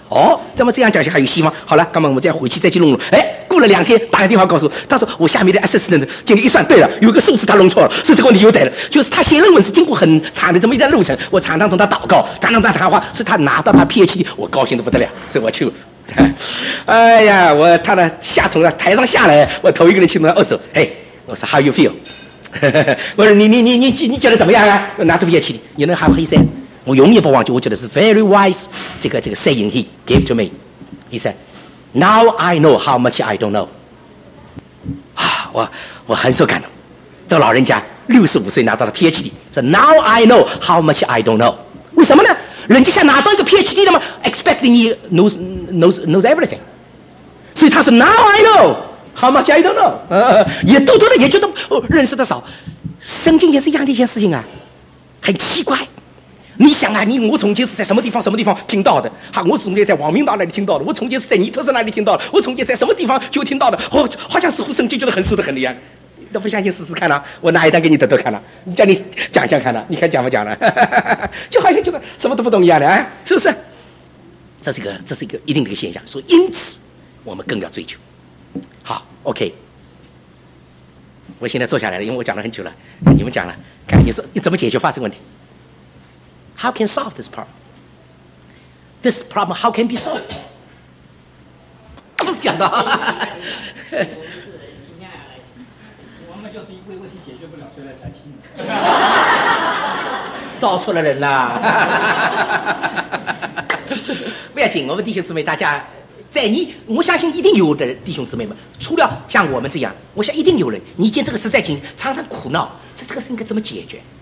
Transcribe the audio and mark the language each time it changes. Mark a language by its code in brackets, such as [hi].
[zh] 哦，这么这样讲下还有希望。好了，那么我们再回去再去弄弄。哎，过了两天打个电话告诉我，他说我下面的 assistant 经理一算对了，有个数字他弄错了，所以这个问题又得了。就是他写论文是经过很长的这么一段路程，我常常同他祷告，常常跟他谈话，所以他拿到他 PhD， 我高兴得不得了。所以我去，哎呀，我他呢下从台上下来，我头一个人亲他握手，哎，我说 [en] How you feel？ [zh] 我说你觉得怎么样啊？我拿图片去，你能还回噻？我永远不忘记，我觉得是 [en] very wise [zh] 这个 [en] saying he gave to me. He said, "Now I know how much I don't know." [zh] 啊，我很受感动。这个老人家65岁拿到了 PhD， 说 [en] "Now I know how much I don't know." [zh] 为什么呢？人家像拿到一个 PhD 的嘛 ， [en] expecting he knows everything. [zh] 所以他说 [en] "Now I know." [zh] 好吗？加油等等，也多多的也觉得、认识的少，圣经也是一样的一件事情啊，很奇怪。你想啊，我从前是在什么地方听到的？好，我从前在王明道那里听到的，我从前是在尼特斯那里听到的，我从前在什么地方就听到的？哦，好像似乎圣经觉得很熟的很厉害。那不相信试试看呢、啊？我拿一单给你读看呢、啊，叫你讲讲看呢、啊，你看讲不讲了、啊？就好像觉得什么都不懂一样的、啊，是不是？这是一个一定的一个现象。所以因此，我们更要追求。 OK， 我现在坐下来了，因为我讲了很久了，你们讲了，看你怎么解决发生问题。 [en] How can solve this problem? This problem how can be solved? [zh] 不是讲的。我们是停下来，我们就是因为问题解决不了，所以来谈心。招错了人了。不要紧，我们弟兄姊妹大家。在你，我相信一定有的弟兄姊妹们，除了像我们这样，我想一定有人，你见这个实在情常常苦恼，这个事应该怎么解决？